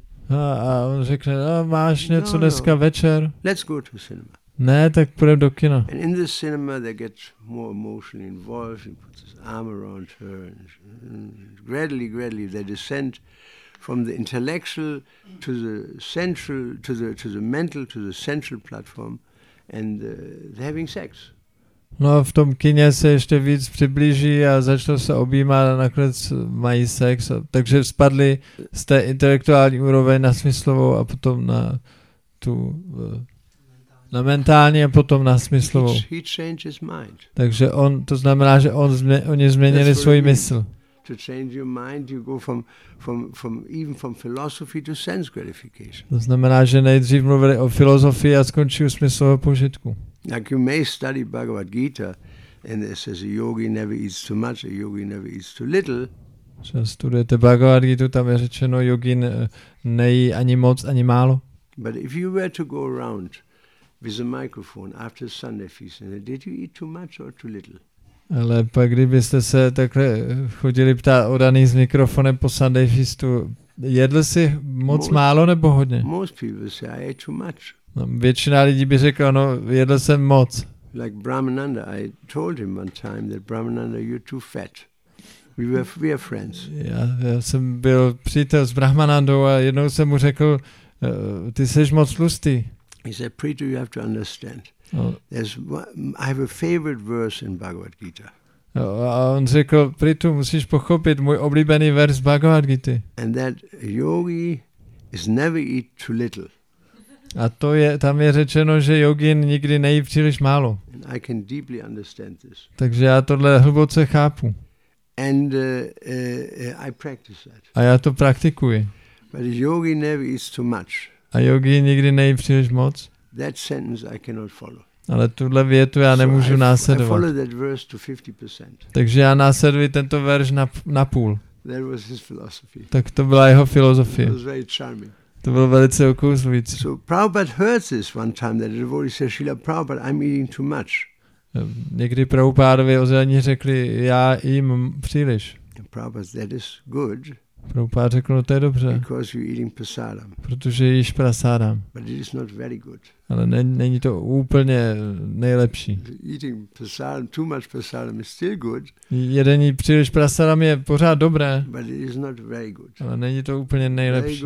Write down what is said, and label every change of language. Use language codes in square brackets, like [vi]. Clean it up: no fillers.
[cs] A on řekne, no, máš něco dneska večer? [en] Let's go to cinema. [cs] Ne, tak půjdeme do kina. [en] And in the cinema they get more emotionally involved, he puts his arm around her, and gradually they descend from the intellectual to the central, to the mental, to the central platform, and they're having sex. [cs] No a v tom kině se ještě víc přiblíží a začnou se objímat a nakonec mají sex. Takže spadli z té intelektuální úroveň na smyslovou a potom na tu na mentální a potom na smyslovou. Takže on, to znamená, že on oni změnili svůj mysl. [en] To change your mind, you go from even from philosophy to sense gratification. [cs] To znamená, že nejdřív mluvili o filozofii a skončí u smyslového požitku. [en] Like you may study Bhagavad Gita, and it says a yogi never eats too much, a yogi never eats too little. [cs] Co studujete Bhagavad Gitu, tam je řečeno, jogin nejí ani moc, ani málo. [en] But if you were to go around with a microphone after Sunday feast, did you eat too much or too little? [cs] Ale pak kdybyste se takhle chodili ptát odaný s mikrofonem po Sunday feastu, jedl jsi moc málo nebo hodně? [en] Most people say I ate too much. [cs] No, většina lidí by řekla, no, jedl jsem moc. [en] Like Brahmananda, I told him one time that Brahmananda, you're too fat. We are friends. [cs] Já jsem byl přítel s Brahmanandou a jednou jsem mu řekl, ty jsi moc tlustý. [en] He said, Preetu, you have to understand. I have a favorite verse in Bhagavad Gita. [cs] A on řekl, Preetu, musíš pochopit můj oblíbený verš Bhagavad Gita. [en] And that yogi is never eat too little. [cs] A to je, tam je řečeno, že jogin nikdy nejí příliš málo. [en] I can deeply understand this. [cs] Takže já tohle hluboce chápu. [en] And I practice that. [cs] A já to praktikuji. [en] But yogi never eats too much. [cs] A yogi nikdy nejí příliš moc. [en] That sentence I cannot follow. [cs] Ale tuhle větu já nemůžu následovat. [en] I follow that verse to 50%. [cs] Takže já následuji tento verš na půl. [en] That was his philosophy. [cs] Tak to byla jeho filozofie. [en] It was very charming. [cs] To bylo velice okouzlující. [en] So Prabhupada heard this one time that a devotee said, Srila Prabhupada, I'm eating too much. [cs] Někdy Prabhupádovi ozvaní řekli, já jím příliš. [en] Prabhupada, that is good. [cs] Prabhupáda řekl, no, to je dobře. [en] Because you're eating prasadam. [cs] Protože jíš prasadam. [en] But it is not very good. [cs] Ale není to úplně nejlepší. [en] Eating prasadam, too much prasadam is still good. [cs] Jedení příliš prasadam je pořád dobré. [en] But it is not very good. [cs] Ale není to úplně nejlepší.